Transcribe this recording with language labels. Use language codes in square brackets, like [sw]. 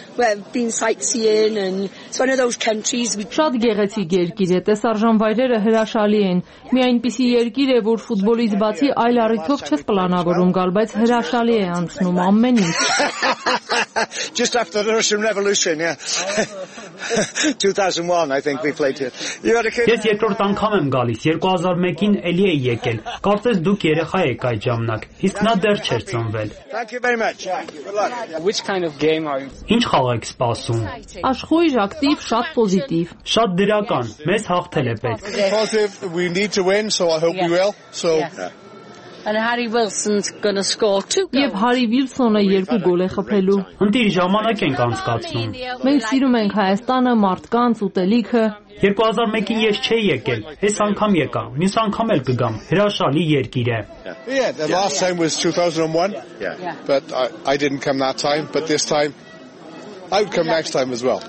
[en] We've been sightseeing and it's one of those countries we [hy] շատ գեղեցիկ երկիր է, տեսարժան վայրերը հրաշալի են։ Մի այնպիսի երկիր է, որ ֆուտբոլից բացի այլ առիթով չես պլանավորում գալ, բայց հրաշալի է անցնում ամեն ինչ։ [en] Just after the Russian Revolution, yeah. 2001, I think we played here. You had a kid. [hy] Ես երկրորդ անգամ եմ գալիս, 2001-ին էլի է եկել։ Կարծես դուք երեխա եք այդ ժամանակ, իսկ նա դեռ չէր ծնվել։ [en] Thank you very much. Which kind of game are you? [hy] Ինչ խաղ եք սպասում? Աշխույժ, ակտիվ, շատ պոզիտիվ։ Շատ դրական, մեզ հաղթել է պետք։ [en] Need to win, so I hope we will. So. Yeah. And Harry Wilson's going to score 2 goals. [hy] Եվ Հարի Վիլսոնը 2 գոլ է խփելու։ Ընդդիր ժամանակ ենք անցկացնում։ Մենք սիրում ենք Հայաստանը, մարդկանց, ուտելիքը։ 2001-ին ես չէի եկել, այս անգամ եկա, մյուս անգամ էլ կգամ, հրաշալի երկիր է։ [en] Yeah, the last time was 2001. Yeah. But I didn't come that time, but this time I would come next time as well.